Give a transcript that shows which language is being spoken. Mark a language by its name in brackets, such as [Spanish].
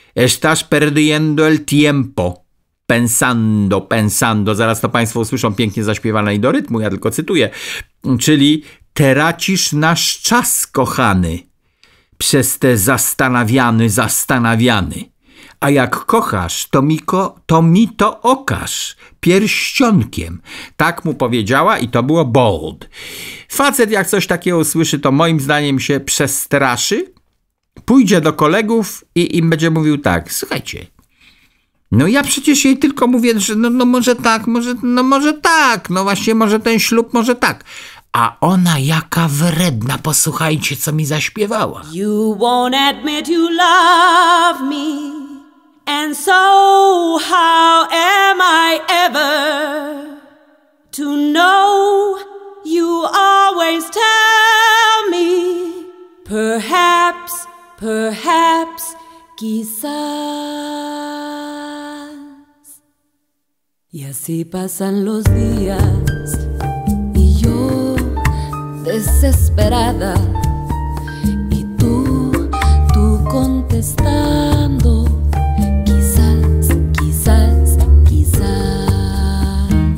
[Spanish] Estás perdiendo el tiempo. Pensando, pensando. [Polish] Zaraz to państwo usłyszą pięknie zaśpiewane i do rytmu, ja tylko cytuję. Czyli tracisz nasz czas, kochany. Przez te zastanawiany, zastanawiany. A jak kochasz, to mi to okaż pierścionkiem. Tak mu powiedziała i to było bold. Facet jak coś takiego usłyszy, to moim zdaniem się przestraszy, pójdzie do kolegów i im będzie mówił tak, słuchajcie, no ja przecież jej tylko mówię, że może tak, no właśnie może ten ślub, może tak. A ona jaka wredna, posłuchajcie, co mi zaśpiewała. [English] You won't admit you love me, and so how am I ever to know? You always tell me, perhaps, perhaps, quizás. [Spanish] Y así pasan los días, y yo desesperada, y tú contestando, quizás, quizás, quizás.